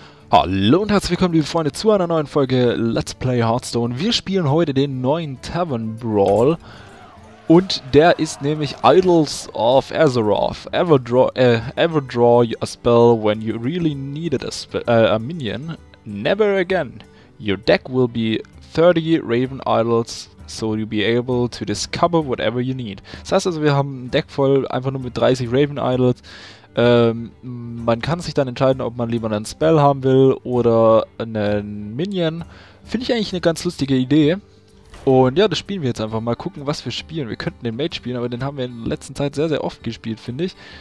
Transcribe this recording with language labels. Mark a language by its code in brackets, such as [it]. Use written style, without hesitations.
[de] Hallo und herzlich willkommen, liebe Freunde, zu einer neuen Folge Let's Play Hearthstone. Wir spielen heute den neuen Tavern Brawl und der ist nämlich Idols of Azeroth. [en] Ever draw your spell when you really needed a minion. Never again. Your deck will be 30 Raven Idols, so you'll be able to discover whatever you need. [de] Das heißt also, wir haben ein Deck voll einfach nur mit 30 Raven Idols. Man kann sich dann entscheiden, ob man lieber einen Spell haben will oder einen Minion. Finde ich eigentlich eine ganz lustige Idee. Und ja, das spielen wir jetzt einfach mal. Gucken, was wir spielen. Wir könnten den Mage spielen, aber den haben wir in letzter Zeit sehr, sehr oft gespielt, finde ich.